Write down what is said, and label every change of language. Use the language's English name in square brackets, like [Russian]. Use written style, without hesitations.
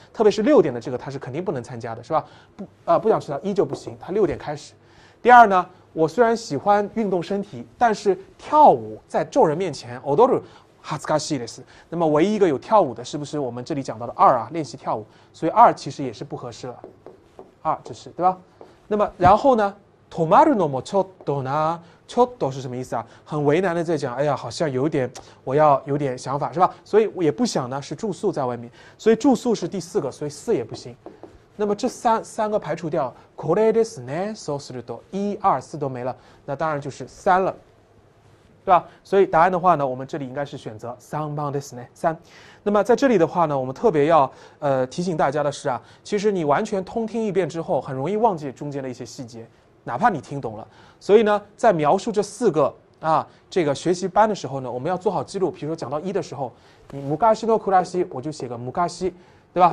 [Chinese] 特别是六点的这个他是肯定不能参加的，是吧？不想迟到依旧不行，他六点开始。第二呢，我虽然喜欢运动身体，但是跳舞在众人面前，我都是 [Japanese] 恥ずかしいです。 [Chinese] 那么唯一一个有跳舞的，是不是我们这里讲到的二啊？练习跳舞，所以二其实也是不合适了。二，这是对吧？那么然后呢？ [Japanese] 泊まるのもちょっとな。 [Chinese] ちょっと是什么意思啊？很为难的在讲，哎呀，好像有点，我要有点想法是吧？所以我也不想呢，是住宿在外面。所以住宿是第四个，所以四也不行。那么这三个排除掉， [Japanese] これですね。そうすると [Chinese] 一二四都没了，那当然就是三了。对吧？所以答案的话呢，我们这里应该是选择 [Japanese] 三番ですね。 [Chinese] 三。那么在这里的话呢，我们特别要提醒大家的是啊，其实你完全通听一遍之后，很容易忘记中间的一些细节，哪怕你听懂了。所以呢，在描述这四个啊这个学习班的时候呢，我们要做好记录。比如说讲到一的时候，你 [Japanese] 昔の暮らし， [Chinese] 我就写个昔，对对吧？